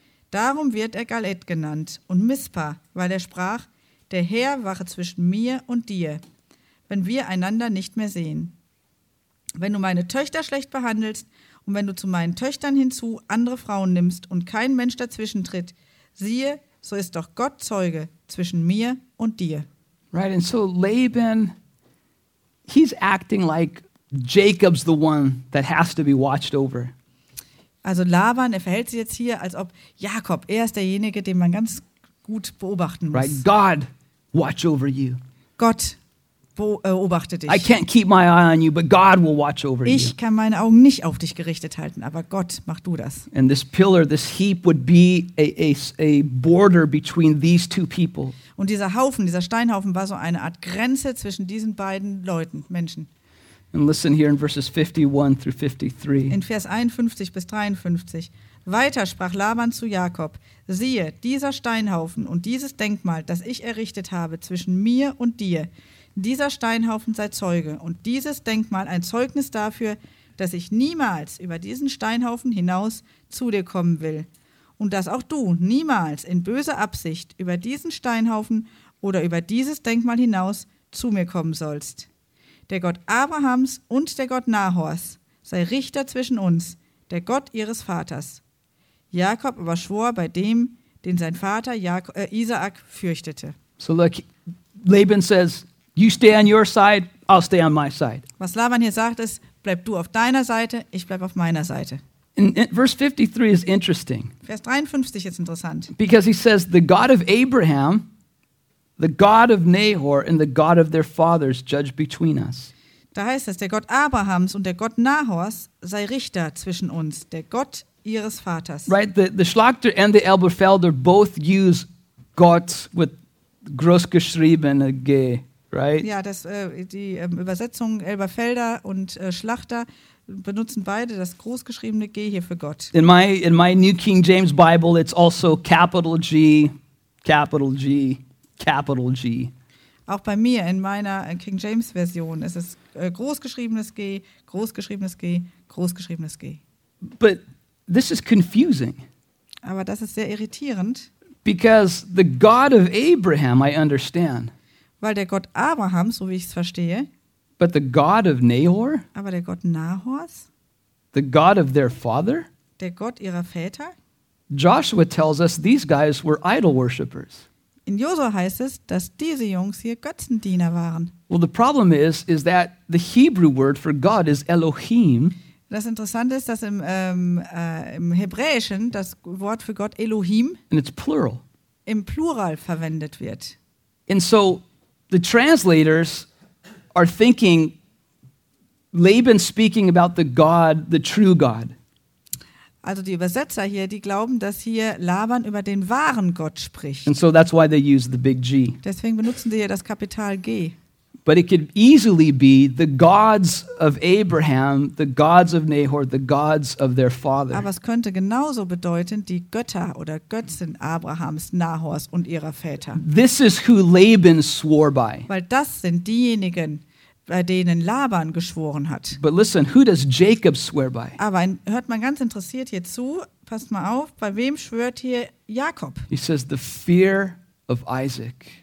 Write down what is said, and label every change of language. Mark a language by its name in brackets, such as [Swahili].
[German] Darum wird er Galed genannt und Mispa, weil er sprach, der Herr wache zwischen mir und dir, wenn wir einander nicht mehr sehen. Wenn du meine Töchter schlecht behandelst und wenn du zu meinen Töchtern hinzu andere Frauen nimmst und kein Mensch dazwischen tritt, siehe, so ist doch Gott Zeuge zwischen mir und dir. [English] Right, and so Laban, he's acting like Jacob's the one that has to be watched over. [German] Also Laban, er verhält sich jetzt hier, als ob Jakob, er ist derjenige, den man ganz gut beobachten muss. [English] Right, God, watch over you. [German] Gott beobachte dich. [English] I can't keep my eye on you, but God will watch over [German] ich [English] you. [German] Ich kann meine Augen nicht auf dich gerichtet halten, aber Gott, mach du das. [English] And this pillar, this heap would be a border between these two people. [German] Und dieser Haufen, dieser Steinhaufen war so eine Art Grenze zwischen diesen beiden Leuten, Menschen. [English] And listen here in verses 51 through 53. [German] In Vers 51 bis 53. Weiter sprach Laban zu Jakob, siehe, dieser Steinhaufen und dieses Denkmal, das ich errichtet habe zwischen mir und dir, dieser Steinhaufen sei Zeuge und dieses Denkmal ein Zeugnis dafür, dass ich niemals über diesen Steinhaufen hinaus zu dir kommen will und dass auch du niemals in böser Absicht über diesen Steinhaufen oder über dieses Denkmal hinaus zu mir kommen sollst. Der Gott Abrahams und der Gott Nahors sei Richter zwischen uns, der Gott ihres Vaters. Jakob aber schwor bei dem, den sein Vater Isaak fürchtete. [English] So look, Laban says, you stay on your side, I'll stay on my side. [German] Was Laban hier sagt ist, bleib du auf deiner Seite, ich bleib auf meiner Seite. [English] In verse 53 is interesting. [German] Vers 53 ist interessant. [English] Because he says, the God of Abraham, the God of Nahor and the God of their fathers judge between us. [German] Da heißt es, der Gott Abrahams und der Gott Nahors sei Richter zwischen uns, der Gott ihres Vaters. [English] Right, the Schlachter and the Elberfelder both use Gott with [German] groß geschrieben [English] G, right? [German] Ja, das die Übersetzung Elberfelder und Schlachter benutzen beide das großgeschriebene G hier für Gott. [English] In my New King James Bible it's also capital G, capital G. Capital G. [German] Auch bei mir in meiner King James Version ist es großgeschriebenes G, großgeschriebenes G, großgeschriebenes G. [English] But this is confusing. [German] Aber das ist sehr irritierend. [English] Because the God of Abraham, I understand. [German] Weil der Gott Abraham, so wie ich es verstehe. [English] But the God of Nahor? [German] Aber der Gott Nahors? [English] The God of their father? [German] Der Gott ihrer Väter? [English] Joshua tells us these guys were idol worshippers. [German] In Josua heißt es, dass diese Jungs hier Götzendiener waren. [English] Well, the problem is that the Hebrew word for God is Elohim. [German] Das Interessante ist, dass im Hebräischen das Wort für Gott Elohim [English] and it's plural. [German] Im Plural verwendet wird. [English] And so the translators are thinking Laban speaking about the God, the true God. [German] Also die Übersetzer hier, die glauben, dass hier Laban über den wahren Gott spricht. [English] And so that's why they use the big G. [German] Deswegen benutzen sie hier das Kapital G. [English] But it could easily be the gods of Abraham, the gods of Nahor, the gods of their father. [German] Aber es könnte genauso bedeuten, die Götter oder Götzen Abrahams, Nahors und ihrer Väter. [English] This is who Laban swore by. [German] Weil das sind diejenigen, bei denen Laban geschworen hat. [English] But listen, who does Jacob swear by? [German] Aber hört mal ganz interessiert hier zu, passt mal auf, bei wem schwört hier Jakob? [English] He says the fear of Isaac.